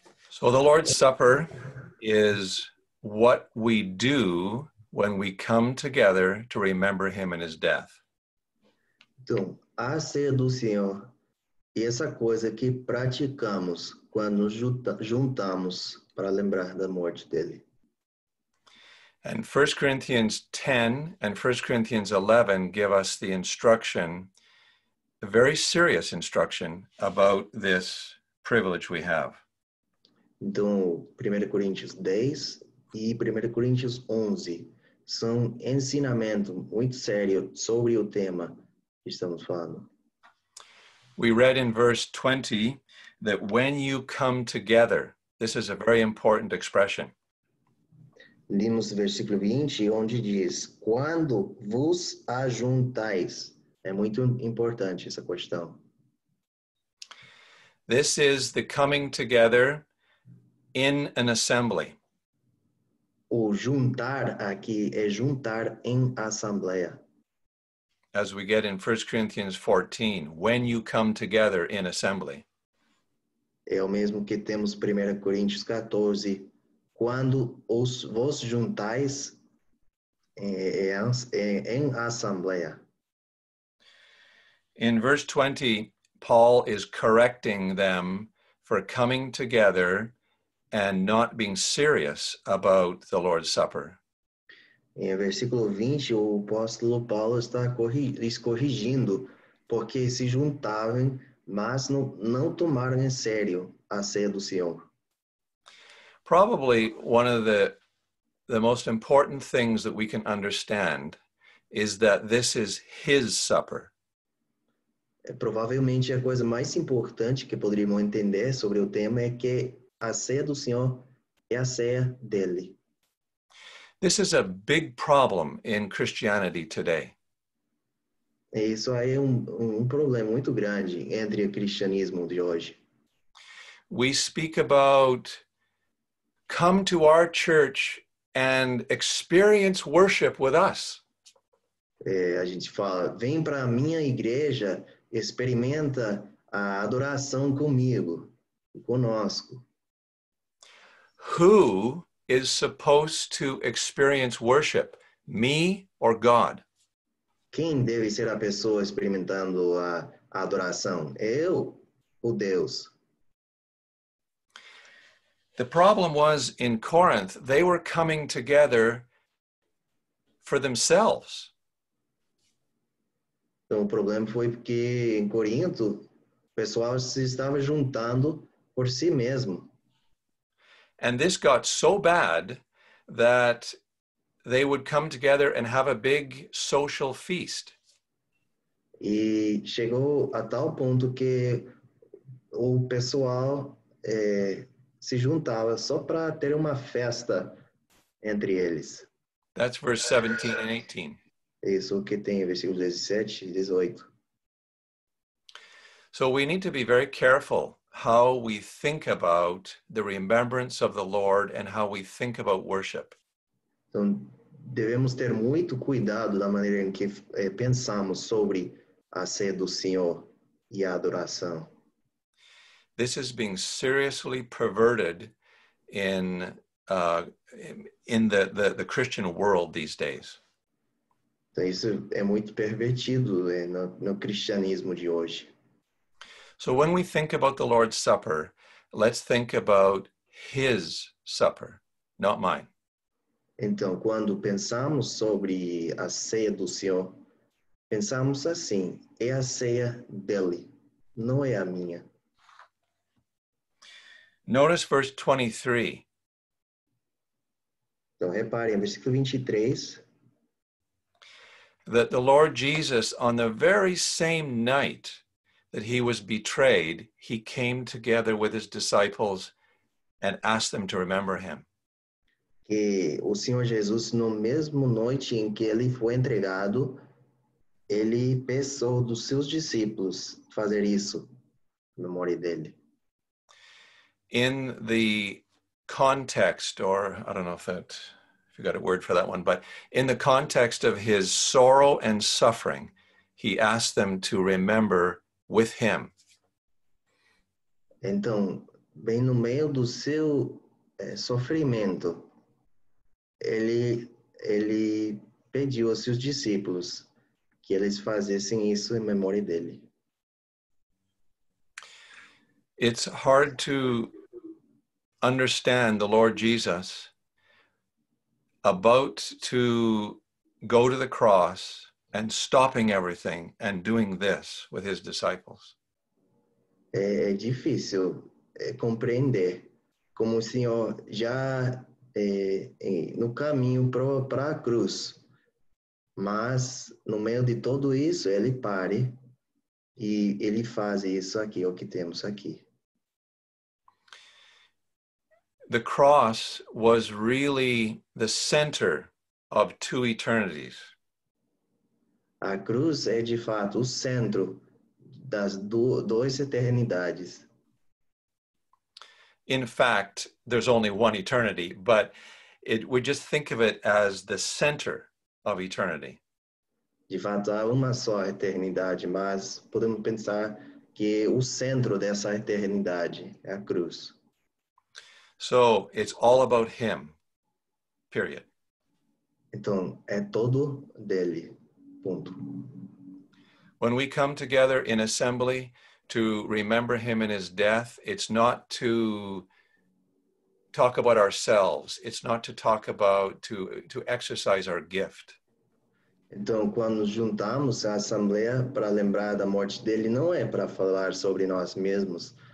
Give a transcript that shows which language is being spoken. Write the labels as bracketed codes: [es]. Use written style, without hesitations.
[en] So the Lord's Supper is what we do when we come together to remember him and his death. [pt] Então, a ceia do Senhor e essa coisa que praticamos quando juntamos para lembrar da morte dele. [en] And 1 Corinthians 10 and 1 Corinthians 11 give us the instruction, a very serious instruction, about this privilege we have. [pt] Então, 1 Coríntios 10 e 1 Coríntios 11 são ensinamento muito sério sobre o tema que estamos falando. [en] We read in verse 20 that when you come together, this is a very important expression. [pt] Lemos o versículo 20, onde diz, quando vos ajuntais. É muito importante essa questão. [en] This is the coming together in an assembly. [pt] O juntar aqui é juntar em assembleia. [en] As we get in 1 Corinthians 14, when you come together in assembly. [pt] É o mesmo que temos 1 Coríntios 14, quando os vos juntais em assembleia. [en] In verse 20, Paul is correcting them for coming together and not being serious about the Lord's Supper. [pt] Em versículo 20, o apóstolo Paulo está corrigindo porque se juntavam, mas não tomaram em sério a ceia do Senhor. [en] Probably one of the most important things that we can understand is that this is his supper. [pt] Provavelmente a coisa mais importante que poderíamos entender sobre o tema é que a ceia do Senhor é a ceia dele. [en] This is a big problem in Christianity today. [pt] Isso aí é um problema muito grande entre o cristianismo de hoje. [en] We speak about come to our church and experience worship with us. [pt] A gente fala, vem para a minha igreja, experimenta a adoração comigo, conosco. [en] Who is supposed to experience worship, me or God? [pt] Quem deve ser a pessoa experimentando a adoração, eu ou Deus? [en] The problem was in Corinth, they were coming together for themselves. [pt] Então, o problema foi porque em Corinto, o pessoal se estava juntando por si mesmo. [en] And this got so bad that they would come together and have a big social feast. [pt] E chegou a tal ponto que o pessoal se juntava só para ter uma festa entre eles. [en] That's verse 17 and 18. [pt] Isso que tem versículos 17 e 18. [en] So we need to be very careful how we think about the remembrance of the Lord and how we think about worship. [pt] Então, devemos ter muito cuidado da maneira em que pensamos sobre a ceia do Senhor e a adoração. [en] This is being seriously perverted in the Christian world these days. [pt] Então, isso é muito pervertido no cristianismo de hoje. [en] So when we think about the Lord's Supper, let's think about His Supper, not mine. [pt] Então, quando pensamos sobre a ceia do Senhor, pensamos assim, é a ceia dele, não é a minha. [en] Notice verse 23. [pt] Então, reparem, versículo 23. [en] That the Lord Jesus, on the very same night that he was betrayed, he came together with his disciples and asked them to remember him. [pt] Que o Senhor Jesus, no mesmo noite em que ele foi entregado, ele pensou dos seus discípulos fazer isso, na memória dele. [en] In the context, or I don't know if you got a word for that one, but in the context of his sorrow and suffering, he asked them to remember with him. [pt] Então, bem no meio do seu sofrimento, ele pediu aos seus discípulos que eles fizessem isso em memória dele. [en] It's hard to understand the Lord Jesus about to go to the cross and stopping everything and doing this with his disciples. [pt] É difícil compreender como o Senhor já no caminho para a cruz, mas no meio de tudo isso ele pare e ele faz isso aqui, o que temos aqui. [en] The cross was really the center of two eternities. [pt] A cruz é de fato o centro das duas eternidades. [en] In fact, there's only one eternity, but we just think of it as the center of eternity. [pt] De fato, há uma só eternidade, mas podemos pensar que o centro dessa eternidade é a cruz. [en] So it's all about him, period. [pt] Então, é todo dele, ponto. [en] When we come together in assembly to remember him in his death, it's not to talk about ourselves. It's not to talk about, to exercise our gift. [pt] Então, quando juntamos a assembleia para lembrar da morte dele, não é para falar sobre nós mesmos.